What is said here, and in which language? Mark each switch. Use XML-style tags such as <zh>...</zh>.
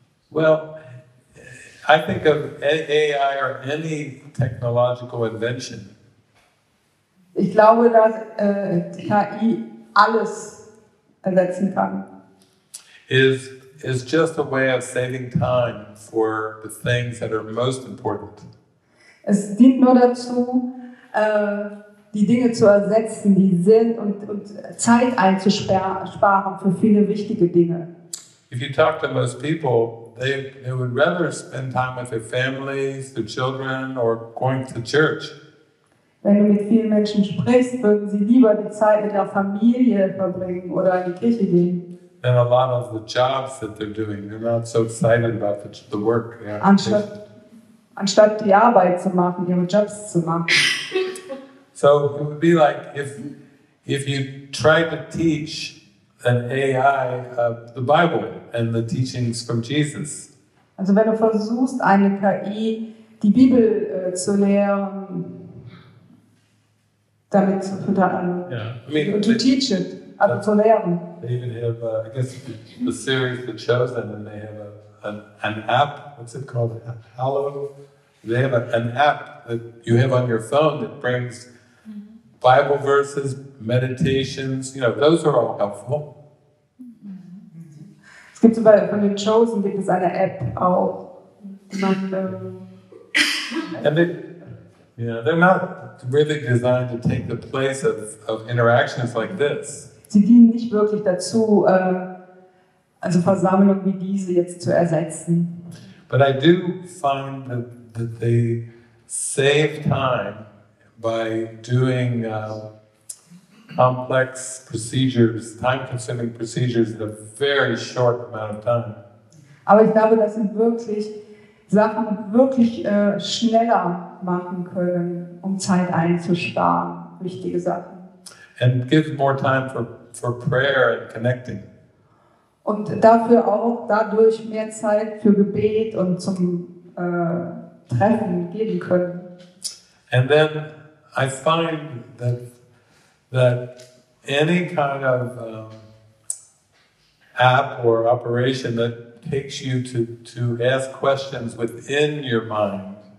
<en>Well, I think of AI or any technological invention.</en> <de>Ich glaube, dass KI alles ersetzen kann.</de> <en>Is just a way of saving time for the things that are most important.</en> <de>Es dient nur dazu, die Dinge zu ersetzen, die sind und Zeit einzusparen für viele wichtige Dinge.</de> <en>If you talk to most people, they would rather spend time with their families, their children, or going to church.</en> <de>Wenn du mit vielen Menschen sprichst, würden sie lieber die Zeit mit der Familie verbringen oder in die Kirche gehen.</de> <en>Then a lot of the jobs that they're doing, they're not so excited about the work. Yeah.</en> <de>Anstatt die Arbeit zu machen, ihre Jobs zu machen.</de> <en>So it would be like if you try to teach an AI the Bible and the teachings from Jesus.</en> <de>Also wenn du versuchst, eine KI die Bibel zu lehren, damit zu lehren.</de> <en>Yeah, I mean, to teach it,</en> <de>also zu lehren.</de> <en>They even have, I guess, the series The Chosen, and they have an app, what's it called, Halo? They have an app that you have on your phone that brings Bible verses, meditations, you know, those are all helpful.</en> <de>Es gibt zum Beispiel von den Chosen gibt es eine App auch.</de> <en>And they're not really designed to take the place of interactions like this.</en> <de>Sie dienen nicht wirklich dazu, also Versammlungen wie diese jetzt zu ersetzen.</de> <en>But I do find that they save time by doing complex procedures, time-consuming procedures in a very short amount of time.</en> <de>Aber ich glaube, dass sie wirklich Sachen wirklich schneller machen können, um Zeit einzusparen, wichtige Sachen.</de> <en>And give more time for prayer and connecting.</en> <de>Und dafür auch dadurch mehr Zeit für Gebet und zum Treffen geben können.</de> <en>And then I find that any kind of app or operation that takes you to ask questions within your mind.</en>